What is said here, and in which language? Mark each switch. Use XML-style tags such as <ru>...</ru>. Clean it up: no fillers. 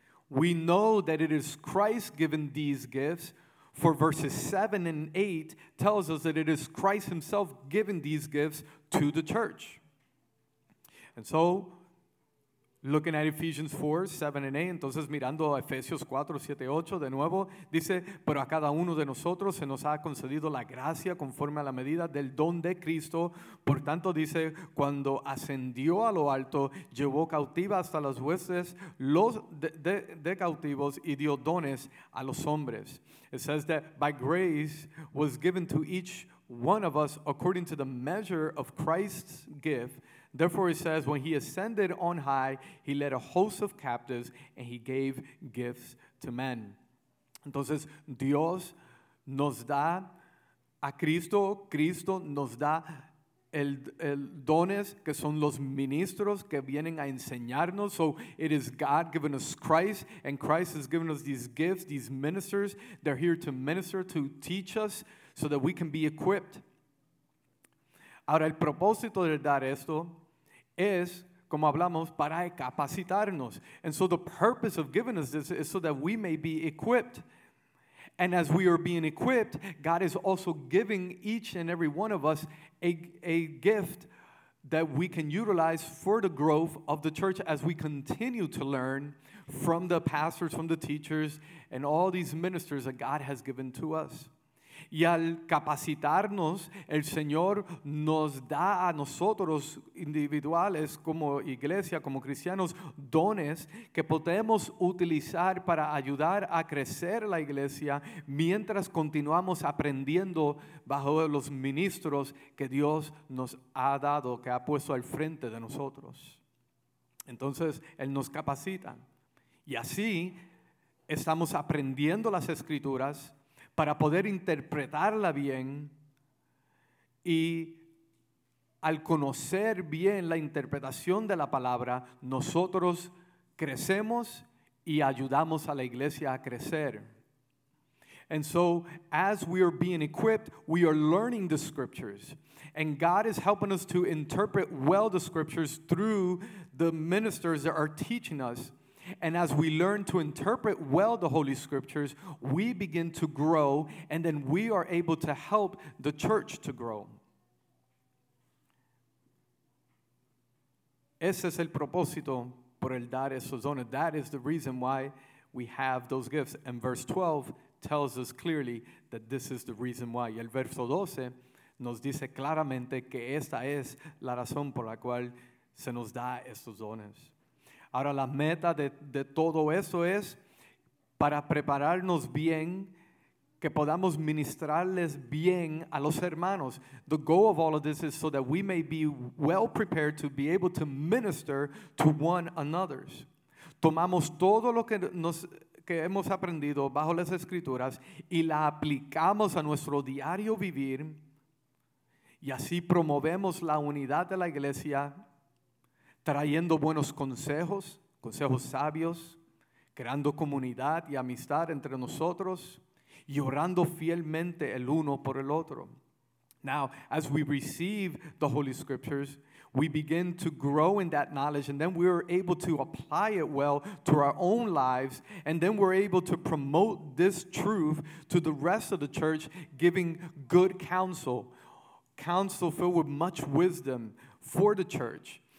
<en>We know that it is Christ giving these gifts, for verses 7 and 8 tells us that it is Christ himself giving these gifts to the church. And so, looking at Ephesians 4, 7 and 8,</en> <es>entonces mirando a Efesios 4, 7 y 8 de nuevo, dice, pero a cada uno de nosotros se nos ha concedido la gracia conforme a la medida del don de Cristo. Por tanto, dice, cuando ascendió a lo alto, llevó cautiva hasta las huestes los de cautivos y dio dones a los hombres.</es> <en>It says that by grace was given to each one of us according to the measure of Christ's gift. Therefore, it says, when he ascended on high, he led a host of captives, and he gave gifts to men.</en> <es>Entonces, Dios nos da a Cristo, Cristo nos da el dones, que son los ministros que vienen a enseñarnos.</es> <en>So, it is God giving us Christ, and Christ has given us these gifts, these ministers. They're here to minister, to teach us, so that we can be equipped.</en> <es>Ahora, el propósito de dar esto es como hablamos, para capacitarnos.</es> <en>And so the purpose of giving us this is so that we may be equipped. And as we are being equipped, God is also giving each and every one of us a gift that we can utilize for the growth of the church as we continue to learn from the pastors, from the teachers, and all these ministers that God has given to us.</en> <es>Y al capacitarnos, el Señor nos da a nosotros individuales, como iglesia, como cristianos, dones que podemos utilizar para ayudar a crecer la iglesia mientras continuamos aprendiendo bajo los ministros que Dios nos ha dado, que ha puesto al frente de nosotros. Entonces, Él nos capacita. Y así, estamos aprendiendo las Escrituras para poder interpretarla bien, y al conocer bien la interpretación de la palabra, nosotros crecemos y ayudamos a la iglesia a crecer.</es> <en>And so, as we are being equipped, we are learning the scriptures. And God is helping us to interpret well the scriptures through the ministers that are teaching us. And as we learn to interpret well the Holy Scriptures, we begin to grow, and then we are able to help the church to grow.</en> <es>Ese es el propósito por el dar esos dones.</es> <en>That is the reason why we have those gifts. And verse 12 tells us clearly that this is the reason why.</en> <es>Y el verso 12 nos dice claramente que esta es la razón por la cual se nos da esos dones. Ahora, la meta de todo eso es para prepararnos bien, que podamos ministrarles bien a los hermanos.</es> <en>The goal of all of this is so that we may be well prepared to be able to minister to one another.</en> <es>Tomamos todo lo que hemos aprendido bajo las Escrituras y la aplicamos a nuestro diario vivir, y así promovemos la unidad de la iglesia, trayendo buenos consejos, consejos sabios, creando comunidad y amistad entre nosotros, y orando fielmente el uno por el otro.</es> <en>Now, as we receive the Holy Scriptures, we begin to grow in that knowledge, and then we are able to apply it well to our own lives, and then we're able to promote this truth to the rest of the church, giving good counsel, counsel filled with much wisdom for the church.</en>